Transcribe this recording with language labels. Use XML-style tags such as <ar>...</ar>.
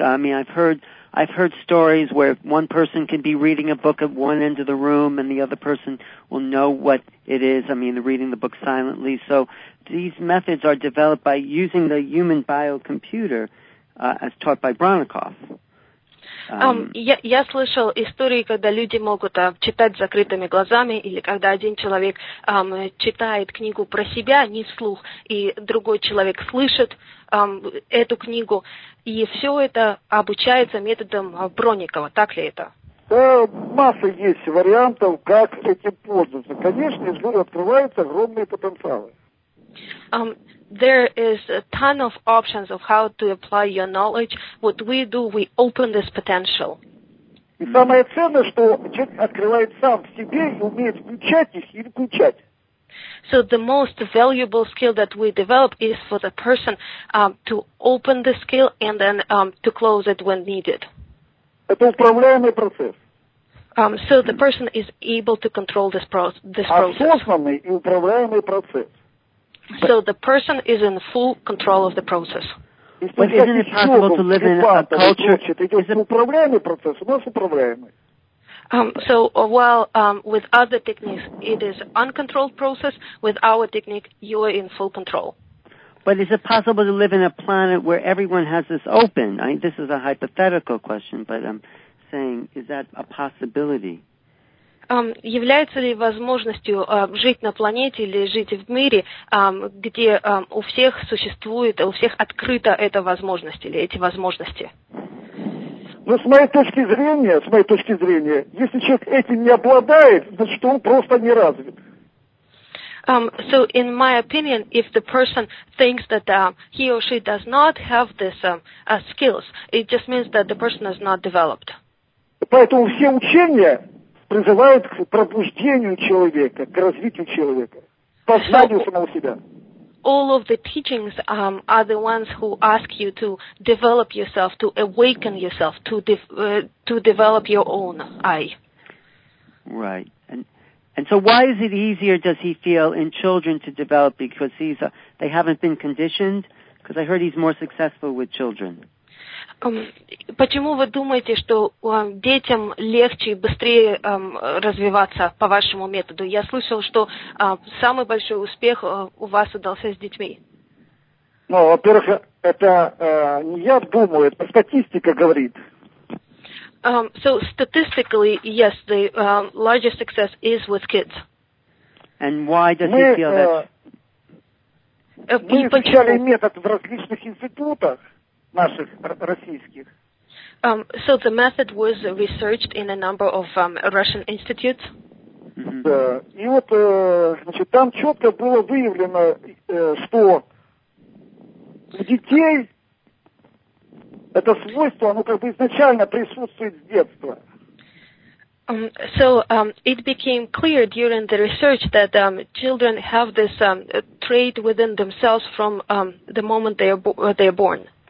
<en>I mean, I've heard stories where one person can be reading a book at one end of the room and the other person will know what it is. I mean, reading the book silently. So these methods are developed by using the human biocomputer as taught by Bronikov.</en> <ru>Я слышал истории, когда люди могут читать закрытыми глазами, или когда один человек читает книгу про себя, не вслух, и другой человек слышит эту книгу, и все это обучается методом Бронникова, так ли это? Да, масса есть вариантов, как этим пользоваться. Конечно, из него открываются огромные потенциалы.</ru> <en>There is a ton of options of how to apply your knowledge. What we do, we open this potential.</en> <ru>И самое ценное, что человек открывает сам в себе и умеет включать их или включать.</ru> <en>So the most valuable skill that we develop is for the person to open the skill and then to close it when needed.</en> <ru>Это управляемый процесс.</ru> <en>So the person is able to control this process.</en> <ru>Осознанный и управляемый процесс.</ru> <en>But, so the person is in full control of the process. But isn't it possible to live in a culture? So while with other techniques it is uncontrolled process, with our technique you are in full control. But is it possible to live in a planet where everyone has this open? I mean, this is a hypothetical question, but I'm saying, is that a possibility?</en> <ru>Является ли возможностью жить на планете или жить в мире, где у всех существует, у всех открыта эта возможность или эти возможности? Ну, с моей точки зрения, если человек этим не обладает, значит, он просто не развит.</ru> <en>So, in my opinion, if the person thinks that he or she does not have these skills, it just means that the person is not developed.</en> <ru>Поэтому все учения призывают к пробуждению человека, к развитию человека, к познанию самого себя.</ru> <en>All of the teachings are the ones who ask you to develop yourself, to awaken yourself, to develop your own I. Right. And so why is it easier, does he feel, in children to develop because they haven't been conditioned? Because I heard he's more successful with children.</en> <ru>Почему вы думаете, что детям легче и быстрее развиваться по вашему методу? Я слышал, что самый большой успех у вас удался с детьми. Ну, во-первых, это не я думаю, это статистика говорит.</ru> <en>So statistically, yes, the largest success is with kids. And why does he feel that?</en> <ru>Мы изучали метод в различных институтах наших российских.</ru> <en>So the method was researched in a number of Russian institutes.</en> <ru>Да. И вот, значит, там четко было выявлено, что у детей это свойство, оно как бы изначально присутствует с детства.</ru> <en>It became clear during the research that children have this trait within themselves from the moment they are born.</en>